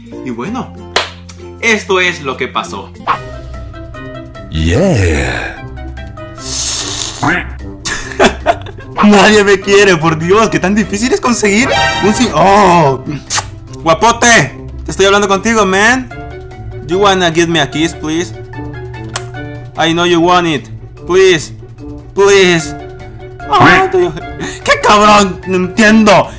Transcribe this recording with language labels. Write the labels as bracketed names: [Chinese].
[Spanish] Y bueno, esto es lo que pasó. Yeah. Nadie me quiere, por Dios, qué tan difícil es conseguir un sí. Oh, guapote, te estoy hablando contigo, man. [English] You wanna give me a kiss, please? I know you want it. Please, please. [Spanish] Oh, qué cabrón, no entiendo.